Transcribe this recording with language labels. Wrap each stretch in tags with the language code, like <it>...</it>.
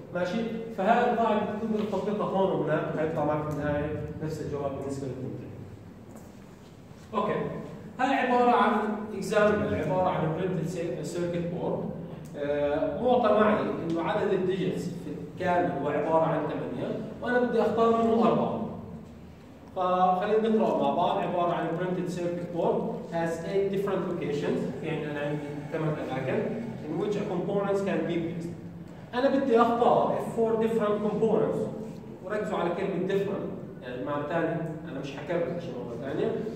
<ar>ماشي؟ فهاي القاعدة بتقدر تطبقها هون وهناك وحيطلع معك في النهاية نفس الجواب بالنسبة للمنتج. اوكي. هاي عبارة عن اكزامبل، عبارة عن برنتد سيركت بورد. معطى معي انه عدد الديجيتس في الكامل هو عباره عن 8 وانا بدي اختار منه 4. فخلينا نقرا مع بعض. عباره عن</ar> <en>printed circuit board has 8 different locations،</en> <ar>يعني انا عندي 8 اماكن</ar> <en>in which a components can be placed.</en> <ar>انا بدي اختار</ar> <en>4 different components،</en> <ar>وركزوا على كلمه different، يعني بمعنى ثاني انا مش حكبر شيء مره ثانيه.</ar>